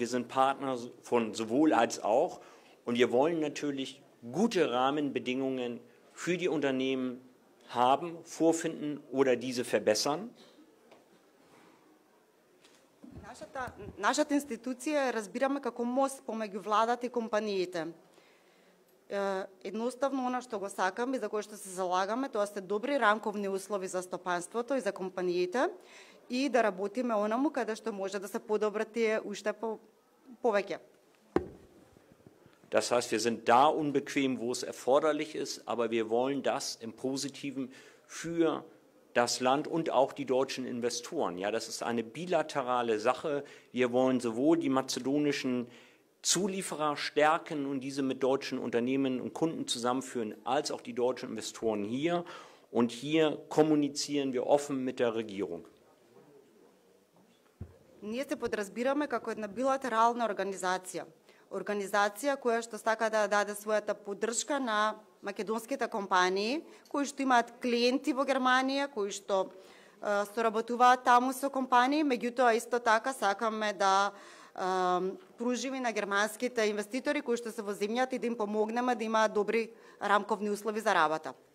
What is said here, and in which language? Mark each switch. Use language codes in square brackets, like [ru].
[de] Wir sind Partner von sowohl als auch. Und wir wollen natürlich gute Rahmenbedingungen für die Unternehmen haben, vorfinden oder diese verbessern. Unsere Institution verstehen wir als Most zwischen der Regierung und Unternehmen. [mk] Едноставно, оно што го сакаме и за кое што се залагаме, тоа се добри рамковни услови за стопанството и за компаниите и да работиме онаму каде што може да се подобрат тие уште повеќе. [de] Das heißt, wir sind da unbequem, wo es erforderlich ist, aber wir wollen das im Positiven für das Land und auch die deutschen Investoren. Ja, das ist eine bilaterale Sache. Wir wollen sowohl die mazedonischen Zulieferer stärken und diese mit deutschen Unternehmen und Kunden zusammenführen, als auch die deutschen Investoren hier. Und hier kommunizieren wir offen mit der Regierung. [mk] Ние се подразбираме како една билатерална организација. Организација која што сака да даде својата поддршка на македонските компании, кои што имаат клиенти во Германија, кои што соработуваат таму со компании, меѓутоа исто така сакаме да пружиме на германските инвеститори кои што се во земјата и да им помогнеме да имаат добри рамковни услови за работа.